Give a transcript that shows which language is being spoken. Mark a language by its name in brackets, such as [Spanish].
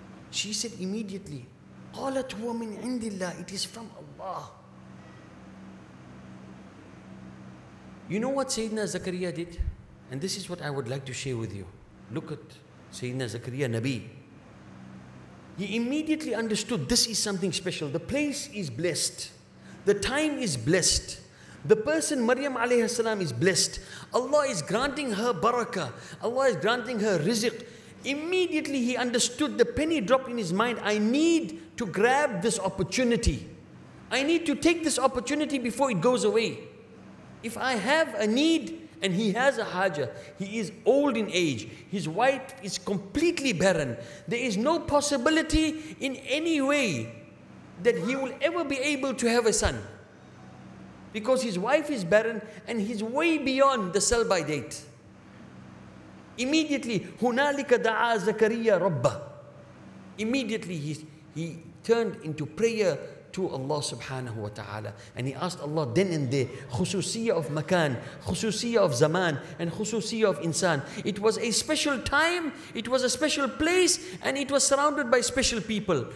[English] She said immediately, [Arabic] قَالَتْ هُوَ مِنْ عِنْدِ اللَّهِ. [English] It is from Allah. You know what Sayyidina Zakariya did? And this is what I would like to share with you. Look at Sayyidina Zakariya Nabi. He immediately understood this is something special. The place is blessed. The time is blessed. The person Maryam alayhi salam is blessed. Allah is granting her barakah. Allah is granting her rizq. Immediately he understood, the penny dropped in his mind, I need to grab this opportunity. I need to take this opportunity before it goes away. If I have a need, And he has a haja. He is old in age. His wife is completely barren. There is no possibility in any way that he will ever be able to have a son. Because his wife is barren and he's way beyond the sell-by date. Immediately, [Arabic] هُنَالِكَ دَعَى زَكَرِيَّ رَبَّهُ. [English] Immediately he turned into prayer to Allah subhanahu wa ta'ala. And he asked Allah then and there, خُسُوسِيَّ of makan, خُسُوسِيَّ of zaman, and خُسُوسِيَّ of insan. It was a special time, it was a special place, and it was surrounded by special people.